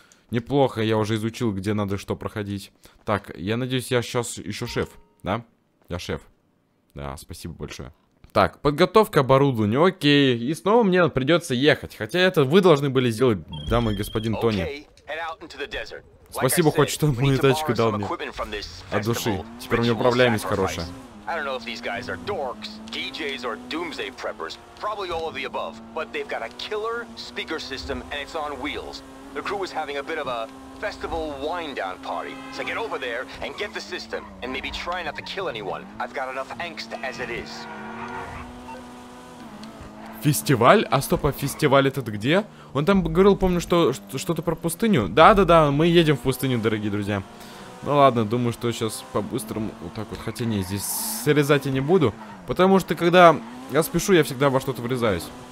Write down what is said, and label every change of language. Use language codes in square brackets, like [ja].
[ru] Неплохо, я уже изучил, где надо что проходить. Так, я надеюсь, я сейчас еще шеф, да? Я шеф. Да, спасибо большое. Так, подготовка оборудования, окей. И снова мне придется ехать. Хотя это вы должны были сделать, дамы и господин Тони. Спасибо хоть, что мне тачку дал мне. От души. Теперь у меня управляемость хорошая. [en] I don't know if these guys are dorks, DJs, or doomsday preppers. Probably all of the above. But they've got a killer speaker system, and it's on wheels. The crew is having a bit of a festival wind-down party. So get over there and get the system, and maybe try not to kill anyone. I've got enough angst as it is. [ru] Фестиваль? А стоп, а фестиваль этот где? Он там говорил, помню, что что-то про пустыню. Да-да-да, мы едем в пустыню, дорогие друзья. Ну ладно, думаю, что сейчас по-быстрому вот так вот, хотя не, здесь срезать я не буду, потому что когда я спешу, я всегда во что-то врезаюсь.